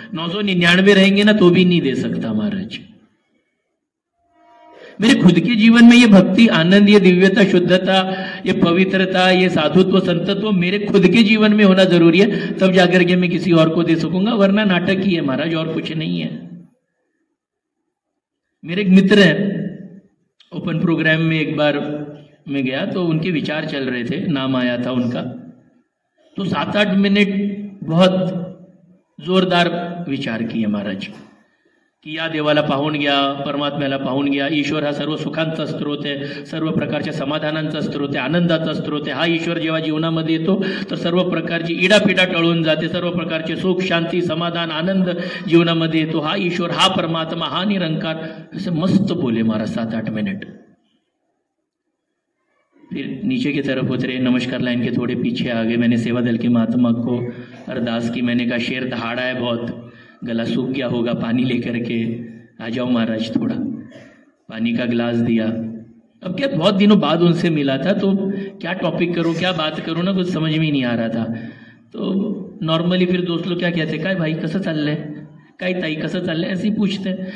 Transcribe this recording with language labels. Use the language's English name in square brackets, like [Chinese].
[Hindi] 999 रहेंगे ना तो भी नहीं दे सकता महाराज। मेरे खुद के जीवन में ये भक्ति आनंद, ये दिव्यता शुद्धता, ये पवित्रता, ये साधुत्व संतत्व मेरे खुद के जीवन में होना जरूरी है, तब जाकर के मैं किसी और को दे सकूंगा, वरना नाटक ही है महाराज और कुछ नहीं है। मेरे एक मित्र है, ओपन प्रोग्राम में एक बार मैं गया तो उनके विचार चल रहे थे, नाम आया था उनका, तो 7-8 मिनट बहुत जोरदार विचार किए महाराज कि [Marathi] या देवाला पाहून गया, परमात्म्याला पाहून गया, ईश्वर हा सर्व सुखांचा स्रोत आहे, सर्व प्रकारच्या समाधानांचा स्रोत आहे, आनंदाचा स्रोत आहे, हा ईश्वर जेव्हा जीवनामध्ये येतो तर सर्व प्रकारची इडापिडा टळून जाते, सर्व प्रकारचे सुख शांती समाधान आनंद जीवनामध्ये येतो, हा ईश्वर हा परमात्मा हा निरंकार, असे मस्त बोले महाराज 7-8 मिनिट। [Hindi] फिर नीचे की तरफ उतरे, नमस्कार लाइन के थोड़े पीछे आ गए, मैंने सेवा दल के महात्मा को अरदास की, मैंने कहा शेर दहाड़ा है बहुत, गला सूख गया होगा, पानी लेकर के आ जाओ महाराज, थोड़ा पानी का गिलास दिया। अब क्या बहुत दिनों बाद उनसे मिला था तो क्या टॉपिक करूँ क्या बात करूँ ना कुछ समझ में नहीं आ रहा था, तो नॉर्मली फिर दोस्त लोग क्या कहते, [Marathi] काय भाई कसा [Hindi] चल रहा है, [Marathi] काय ताई कसा [Hindi] चल रहा है, ऐसे ही पूछते।